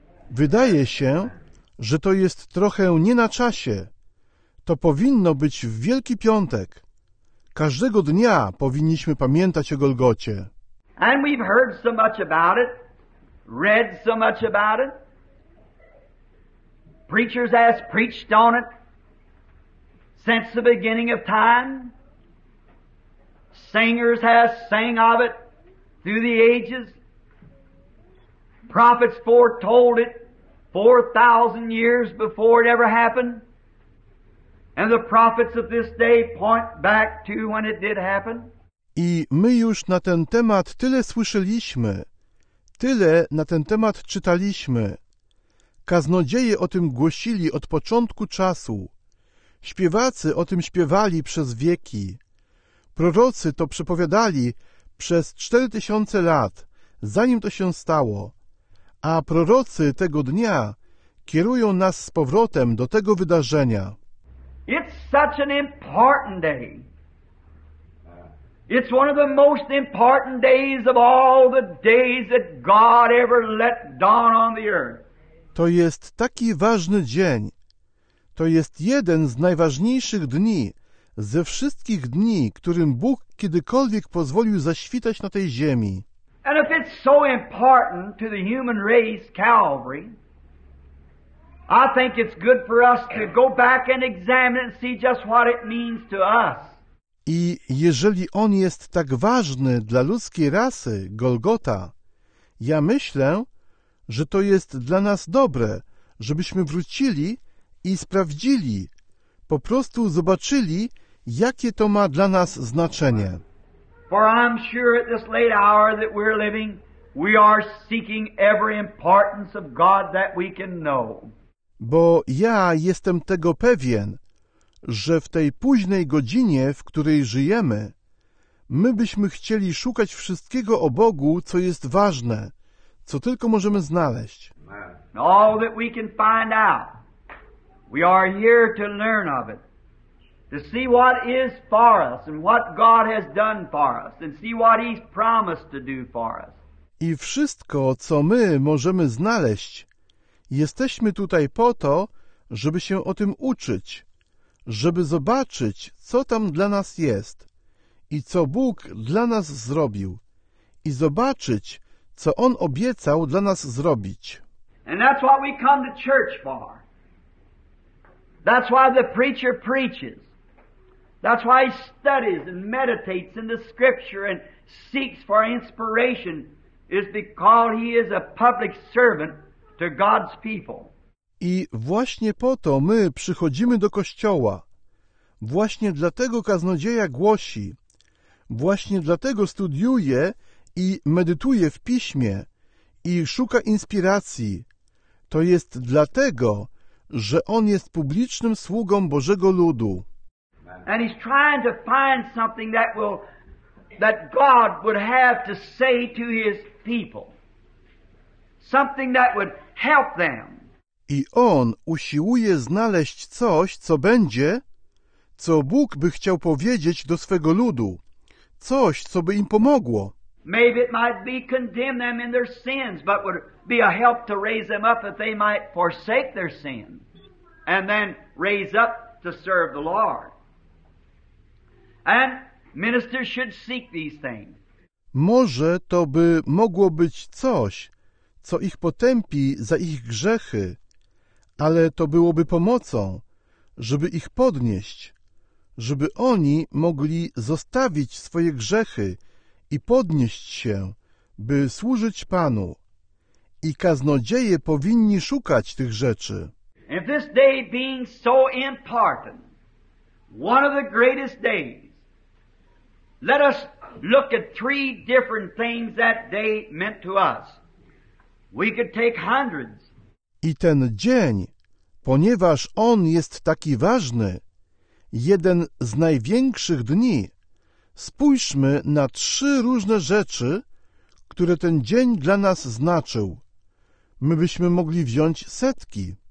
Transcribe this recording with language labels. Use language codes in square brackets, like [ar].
[pl] Wydaje się, że to jest trochę nie na czasie. To powinno być w Wielki Piątek. Każdego dnia powinniśmy pamiętać o Golgocie. [en] And we've heard so much about it, read so much about it. Preachers has preached on it since the beginning of time. Singers has sang of it through the ages. Prophets foretold it 4,000 years before it ever happened. And the prophets of this day point back to when it did happen. [pl] I my już na ten temat tyle słyszeliśmy, tyle na ten temat czytaliśmy. Kaznodzieje o tym głosili od początku czasu. Śpiewacy o tym śpiewali przez wieki. Prorocy to przepowiadali przez 4000 lat, zanim to się stało. A prorocy tego dnia kierują nas z powrotem do tego wydarzenia. [en] It's such an important day. It's one of the most important days of all the days that God ever let dawn on the earth. [pl] To jest taki ważny dzień. To jest jeden z najważniejszych dni ze wszystkich dni, którym Bóg kiedykolwiek pozwolił zaświtać na tej ziemi. [en] And if it's so important to the human race, Calvary, I think it's good for us to go back and examine it and see just what it means to us. [pl] I jeżeli on jest tak ważny dla ludzkiej rasy, Golgota, ja myślę, że to jest dla nas dobre, żebyśmy wrócili i sprawdzili, po prostu zobaczyli, jakie to ma dla nas znaczenie. [en] For I'm sure at this late hour that we're living, we are seeking every importance of God that we can know. [pl] Bo ja jestem tego pewien, że w tej późnej godzinie, w której żyjemy, my byśmy chcieli szukać wszystkiego o Bogu, co jest ważne, co tylko możemy znaleźć. [en] All that we can find out, we are here to learn of it. To see what is for us and what God has done for us and see what He's promised to do for us. [pl] I wszystko, co my możemy znaleźć, jesteśmy tutaj po to, żeby się o tym uczyć, żeby zobaczyć, co tam dla nas jest i co Bóg dla nas zrobił i zobaczyć, co On obiecał dla nas zrobić. [en] And that's what we come to church for. That's why the preacher preaches. That's why he studies and meditates in the scripture and seeks for inspiration is because he is a public servant to God's people. [pl] I właśnie po to my przychodzimy do kościoła. Właśnie dlatego kaznodzieja głosi. Właśnie dlatego studiuje i medytuje w piśmie i szuka inspiracji. To jest dlatego, że on jest publicznym sługą Bożego ludu. [en] And he's trying to find something that will that God would have to say to his people. Something that would help them. [pl] I on usiłuje znaleźć coś, co będzie, co Bóg by chciał powiedzieć do swego ludu. Coś, co by im pomogło. [en] Maybe it might be condemn them in their sins, but would be a help to raise them up if they might forsake their sin and then raise up to serve the Lord. And ministers should seek these things. [pl] Może to by mogło być coś, co ich potępi za ich grzechy, ale to byłoby pomocą, żeby ich podnieść, żeby oni mogli zostawić swoje grzechy i podnieść się, by służyć Panu. I kaznodzieje powinni szukać tych rzeczy. [en] And this day being so important, one of the greatest days, let us look at three different things that day meant to us. We could take hundreds. [pl] I ten dzień, ponieważ on jest taki ważny, jeden z największych dni, spójrzmy na trzy różne rzeczy, które ten dzień dla nas znaczył. My byśmy mogli wziąć setki.